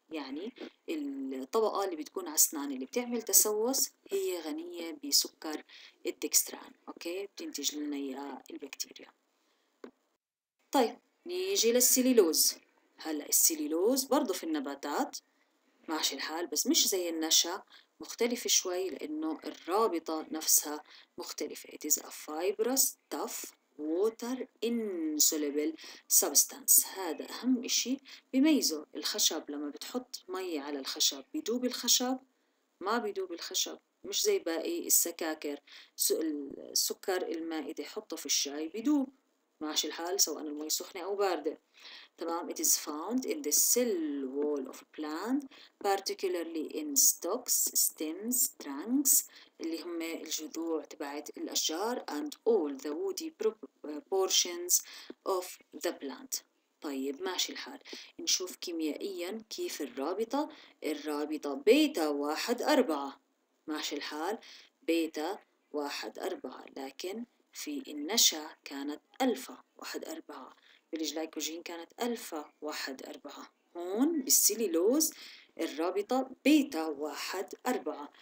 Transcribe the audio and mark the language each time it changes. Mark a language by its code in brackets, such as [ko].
[ar] يعني الطبقة اللي بتكون على أسنان اللي بتعمل تسوس هي غنية بسكر الدكستران، أوكي؟ بتنتج لنا إياه البكتيريا. طيب نيجي للسيليلوز. هلا السيليلوز برضو في النباتات، ماشي الحال، بس مش زي النشا، مختلف شوي لأنه الرابطة نفسها مختلفة. [en] It is a fibrous, tough, water insoluble substance. [ar] هذا أهم إشي بيميزه. الخشب لما بتحط مي على الخشب بيدوب الخشب، ما بيدوب الخشب، مش زي باقي السكاكر. السكر المائدة حطه في الشاي بيدوب، ماشي الحال، سواء المي سخنة أو باردة، تمام. [en] It is found in the cell wall of plant, particularly in stalks, stems, trunks, [ar] اللي هم الجذوع تبعت الأشجار, [en] and all the woody portions of the plant. [ar] طيب ماشي الحال، نشوف كيميائيا كيف الرابطة. الرابطة بيتا واحد أربعة، ماشي الحال، بيتا واحد أربعة، لكن في النشا كانت ألفا واحد أربعة، بالجلايكوجين كانت ألفا واحد أربعة، هون بالسيليلوز الرابطة بيتا واحد أربعة.